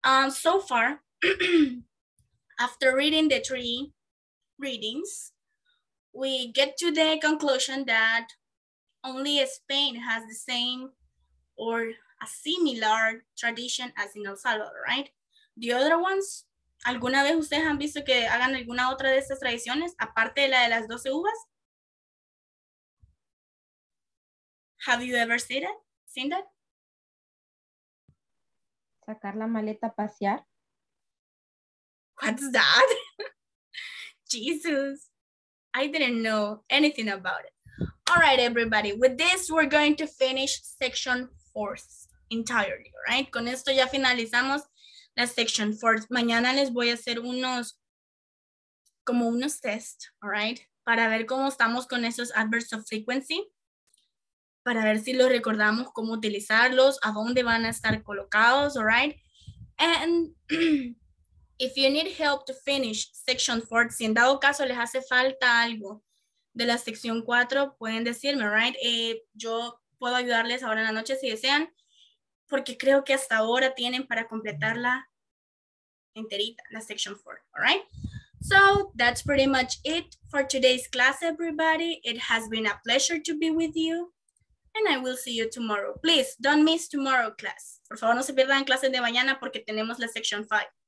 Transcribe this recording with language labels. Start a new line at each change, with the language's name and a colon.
English: So far, after reading the three readings, we get to the conclusion that only Spain has the same or a similar tradition as in El Salvador, right? The other ones
Spanish: ¿Alguna vez ustedes han visto que hagan alguna otra de estas tradiciones, aparte de la de las 12 uvas?
English: Have you ever seen that?
Spanish: Sacar la maleta a pasear.
English: What's that? Jesus. I didn't know anything about it. All right, everybody. With this, we're going to finish section 4 entirely, right?
Spanish: Con esto ya finalizamos la section 4. Mañana les voy a hacer unos, como unos tests,
English: all right?
Spanish: Para ver cómo estamos con esos adverbs of frequency. Para ver si los recordamos, cómo utilizarlos, a dónde van a estar colocados,
English: all right? And if you need help to finish section 4,
Spanish: si en dado caso les hace falta algo de la sección 4, pueden decirme,
English: all right?
Spanish: Yo puedo ayudarles ahora en la noche si desean, porque creo que hasta ahora tienen para completarla enterita, la section 4,
English: all right? So that's pretty much it for today's class, everybody. It has been a pleasure to be with you. And I will see you tomorrow. Please, don't miss tomorrow class.
Spanish: Por favor, no se pierdan clases de mañana porque tenemos la section 5.